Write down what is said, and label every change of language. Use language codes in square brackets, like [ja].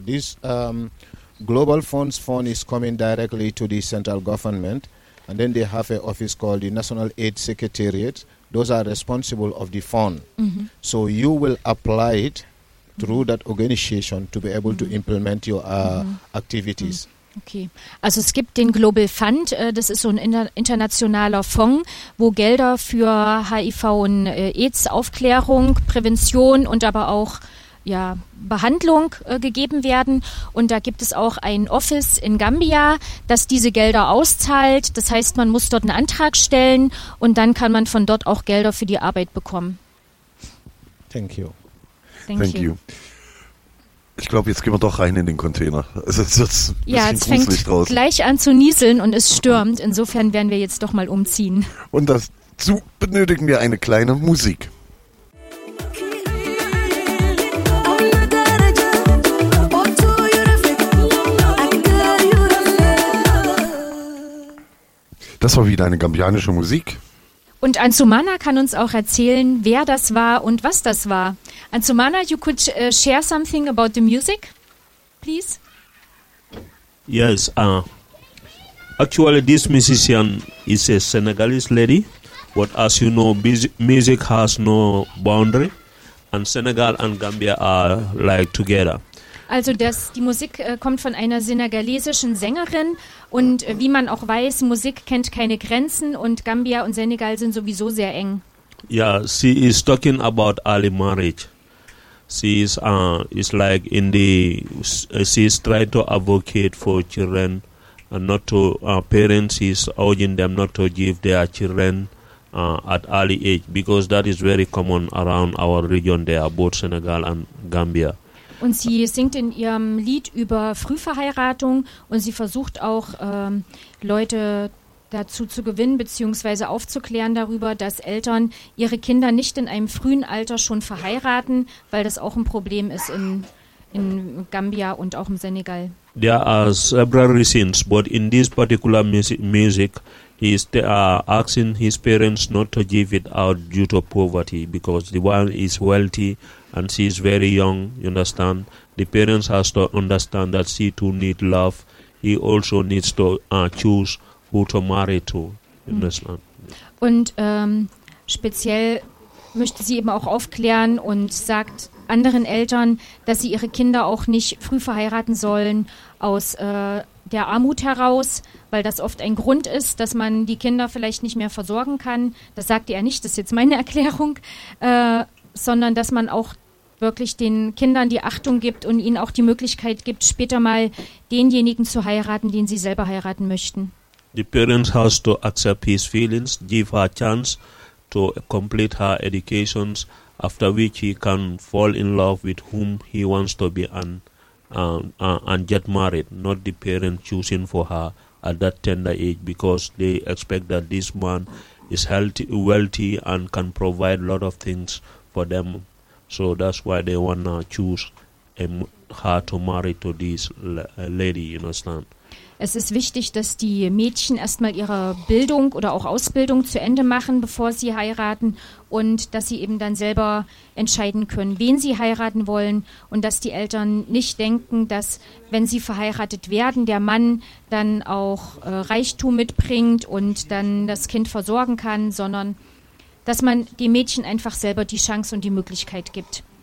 [en] This Global Fund's fund is coming directly to the central government. And then they have an office called the National AIDS Secretariat. Those are responsible of the fund. Mm-hmm. So you will apply it through that organization to be able to implement your activities. [de] Okay, also es gibt den Global Fund, das ist so ein internationaler Fonds, wo Gelder für HIV und AIDS Aufklärung, Prävention und aber auch Behandlung gegeben werden. Und da gibt es auch ein Office in Gambia, das diese Gelder auszahlt. Das heißt, man muss dort einen Antrag stellen und dann kann man von dort auch Gelder für die Arbeit bekommen. [en] Thank you. Thank you. [de] Ich glaube, jetzt gehen wir doch rein in den Container. Es fängt draus. Gleich an zu nieseln und es stürmt. Insofern werden wir jetzt doch mal umziehen. Und dazu benötigen wir eine kleine Musik. Das war wieder eine gambianische Musik. Und Ansumana kann uns auch erzählen, wer das war und was das war. [en] Ansumana, you could share something about the music, please. Yes, actually this musician is a Senegalese lady, but as you know, music has no boundary, and Senegal and Gambia are like together. [de] Also die Musik kommt von einer senegalesischen Sängerin und wie man auch weiß, Musik kennt keine Grenzen und Gambia und Senegal sind sowieso sehr eng. [en] Yeah, she is talking about early marriage. She is she is trying to advocate for children and not to parents. She is urging them not to give their children at early age because that is very common around our region. There are both Senegal and Gambia. [de] Und sie singt in ihrem Lied über Frühverheiratung und sie versucht auch Leute dazu zu gewinnen beziehungsweise aufzuklären darüber, dass Eltern ihre Kinder nicht in einem frühen Alter schon verheiraten, weil das auch ein Problem ist in Gambia und auch im Senegal. [en] There are several reasons, but in this particular music, he is asking his parents not to give it out due to poverty, because the one is wealthy. And she is very young, you understand. The parents has to understand that she too needs love. He also needs to choose who to marry to, you understand. [de] Und speziell möchte sie eben auch aufklären und sagt anderen Eltern, dass sie ihre Kinder auch nicht früh verheiraten sollen aus der Armut heraus, weil das oft ein Grund ist, dass man die Kinder vielleicht nicht mehr versorgen kann. Das sagte er nicht, das ist jetzt meine Erklärung. Sondern dass man auch wirklich den Kindern die Achtung gibt und ihnen auch die Möglichkeit gibt, später mal denjenigen zu heiraten, den sie selber heiraten möchten. [en] The parents have to accept his feelings, give her a chance to complete her education, after which he can fall in love with whom he wants to be and get married, not the parents choosing for her at that tender age, because they expect that this man is healthy, wealthy, and can provide a lot of things for them. So that's why they want to choose her to marry to this lady, you understand? [de] Es ist wichtig, dass die Mädchen erstmal ihre Bildung oder auch Ausbildung zu Ende machen, bevor sie heiraten, und dass sie eben dann selber entscheiden können, wen sie heiraten wollen, und dass die Eltern nicht denken, dass, wenn sie verheiratet werden, der Mann dann auch Reichtum mitbringt und dann das Kind versorgen kann, sondern dass man den Mädchen einfach selber die Chance und die Möglichkeit gibt.